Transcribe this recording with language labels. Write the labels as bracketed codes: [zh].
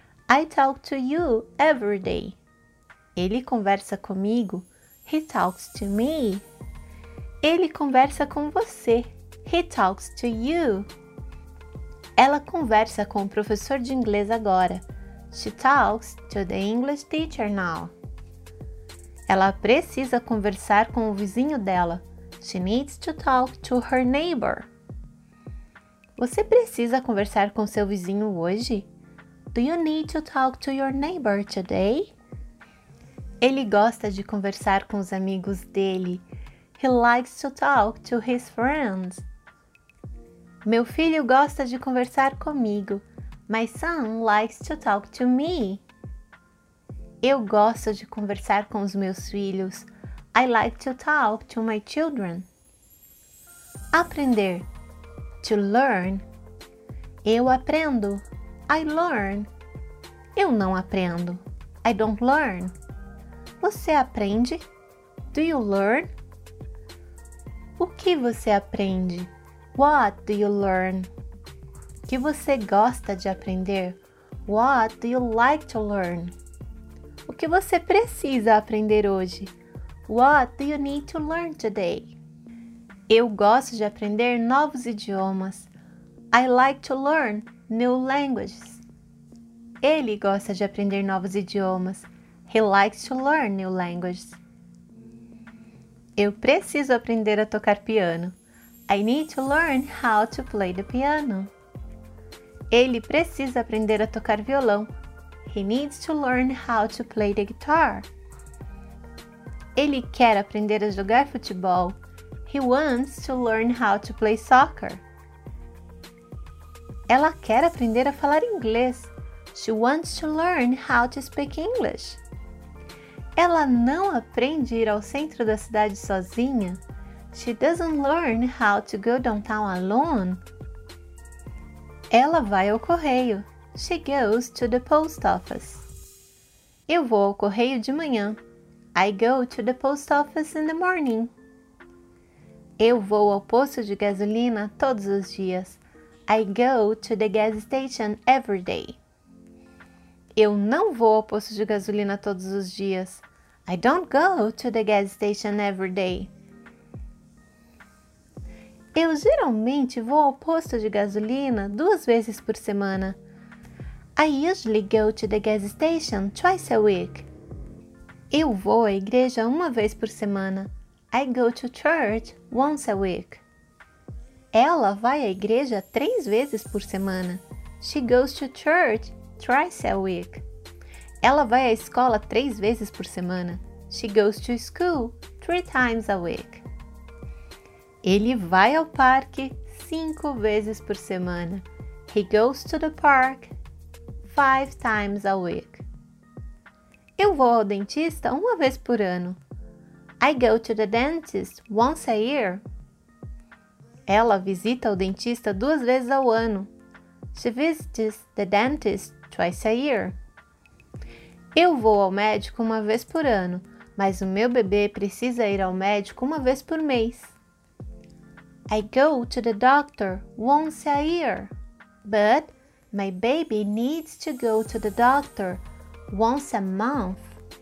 [en] I talk to you every day. [pt] Ele conversa comigo. [en] He talks to me. [pt] Ele conversa com você. [en] He talks to you. [pt] Ela conversa com o professor de inglês agora. [en] She talks to the English teacher now. [pt] Ela precisa conversar com o vizinho dela. [en] She needs to talk to her neighbor. [pt] Você precisa conversar com seu vizinho hoje? [en] Do you need to talk to your neighbor today? [pt] Ele gosta de conversar com os amigos dele. [en] He likes to talk to his friends. [pt] Meu filho gosta de conversar comigo. [en] My son likes to talk to me. [pt] Eu gosto de conversar com os meus filhos. [en] I like to talk to my children. Aprender. To learn. [pt] Eu aprendo. [en] I learn. [pt] Eu não aprendo. [en] I don't learn. [pt] Você aprende? [en] Do you learn? [pt] O que você aprende? [en] What do you learn? [pt] O que você gosta de aprender? [en] What do you like to learn? [pt] O que você precisa aprender hoje? [en] What do you need to learn today? [pt] Eu gosto de aprender novos idiomas. [en] I like to learn new languages. [pt] Ele gosta de aprender novos idiomas. [en] He likes to learn new languages. [pt] Eu preciso aprender a tocar piano. [en] I need to learn how to play the piano. [pt] Ele precisa aprender a tocar violão. [en] He needs to learn how to play the guitar. [pt] Ele quer aprender a jogar futebol. [en] He wants to learn how to play soccer. [pt] Ela quer aprender a falar inglês. [en] She wants to learn how to speak English. [pt] Ela não aprende ir ao centro da cidade sozinha. [en] She doesn't learn how to go downtown alone. [pt] Ela vai ao correio. [en] She goes to the post office. [pt] Eu vou ao correio de manhã. [en] I go to the post office in the morning. [pt] Eu vou ao posto de gasolina todos os dias. [en] I go to the gas station every day. [pt] Eu não vou ao posto de gasolina todos os dias. [en] I don't go to the gas station every day. [pt] Eu geralmente vou ao posto de gasolina duas vezes por semana. [en] I usually go to the gas station twice a week. [pt] Eu vou à igreja uma vez por semana. [en] I go to church once a week. [pt] Ela vai à igreja três vezes por semana. [en] She goes to church twice a week. [pt] Ela vai à escola três vezes por semana. [en] She goes to school three times a week. [pt] Ele vai ao parque cinco vezes por semana. [en] He goes to the park five times a week. [pt] Eu vou ao dentista uma vez por ano. [en] I go to the dentist once a year. [pt] Ela visita o dentista duas vezes ao ano. [en] She visits the dentist twice a year. [pt] Eu vou ao médico uma vez por ano, mas o meu bebê precisa ir ao médico uma vez por mês. [en] I go to the doctor once a year. But my baby needs to go to the doctor once a month.